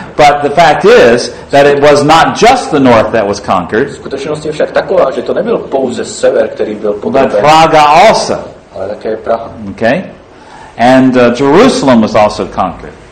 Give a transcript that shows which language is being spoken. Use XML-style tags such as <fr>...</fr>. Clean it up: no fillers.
<en>But the fact is that it was not just the north that was conquered.</en> <cs>Skutečnost je však taková, že to nebyl pouze sever, který byl podroben.</cs> <en>But Praha also.</en> <cs>Ale také Praha.</cs> <en>Okay. And Jerusalem was also conquered.</en>